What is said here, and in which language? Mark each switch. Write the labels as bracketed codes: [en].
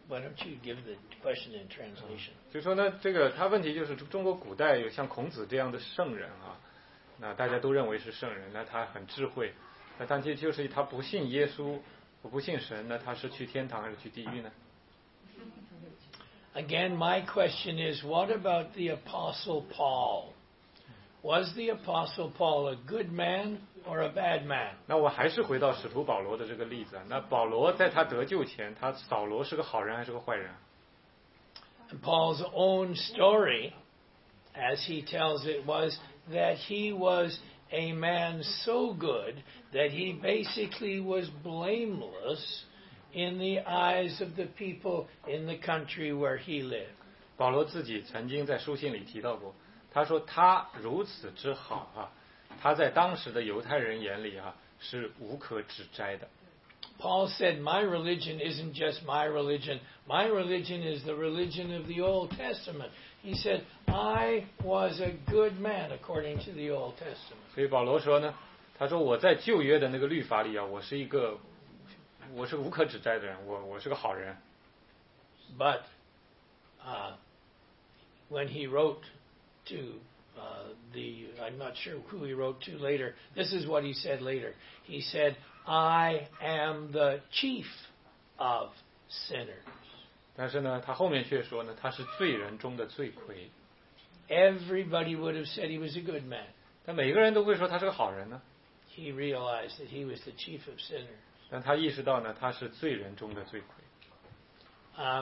[en] Why don't you give the question in translation? [zh] 就说呢，这个他问题就是中国古代有像孔子这样的圣人啊，那大家都认为是圣人，那他很智慧，那但其实就是他不信耶稣，不信神，那他是去天堂还是去地狱呢？ [en] Again, my question is, what about the Apostle Paul? Was the Apostle Paul a good man or a bad man? [zh] 那我还是回到使徒保罗的这个例子。那保罗在他得救前，他扫罗是个好人还是个坏人？ [en] And Paul's own story, as he tells it, was that he was a man so good that he basically was blameless. In the eyes of the people in the country where he lived. [zh] 保罗自己曾经在书信里提到过，他说他如此之好啊，他在当时的犹太人眼里啊是无可指摘的。 [en] Paul said, "My religion isn't just my religion. My religion is the religion of the Old Testament." He said, "I was a good man according to the Old Testament." [zh] 所以保罗说呢，他说我在旧约的那个律法里啊，我是一个。我是无可指摘的人，我是个好人。 [en] But, when he wrote to I'm not sure who he wrote to later. This is what he said later. He said, "I am the chief of sinners." [zh] 但是呢，他后面却说呢，他是罪人中的罪魁。 [en] Everybody would have said he was a good man. [zh] 但每个人都会说他是个好人呢。 [en] He realized that he was the chief of sinners. [zh] 但他意识到呢，他是罪人中的罪魁。